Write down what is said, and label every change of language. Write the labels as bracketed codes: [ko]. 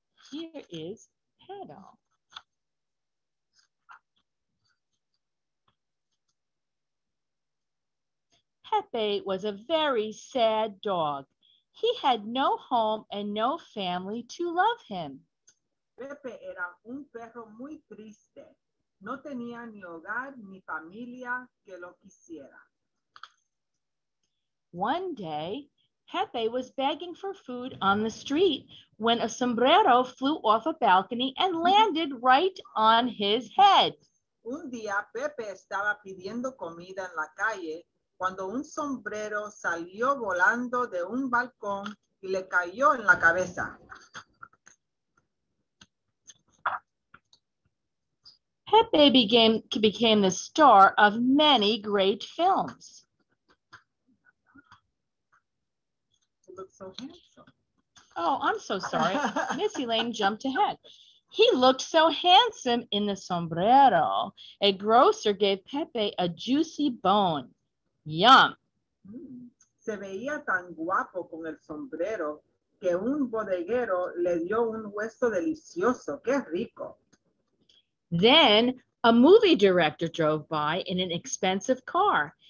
[en] Here is Perro. Pepe was a very sad dog. He had no home and no family to love him. [es] Pepe era un perro muy triste. No tenía ni hogar ni familia que lo quisiera. [en] One day, Pepe was begging for food on the street when a sombrero flew off a balcony and landed right on his head. [es] Un día, Pepe estaba pidiendo comida en la calle cuando un sombrero salió volando de un balcón y le cayó en la cabeza. [en] Pepe became the star of many great films. He looked so handsome. Oh, I'm so sorry. Miss Elaine jumped ahead. He looked so handsome in the sombrero. A grocer gave Pepe a juicy bone. Yum. [es] Se veía tan guapo con el sombrero que un bodeguero le dio un hueso delicioso. Qué rico. [en] Then a movie director drove by in an expensive car.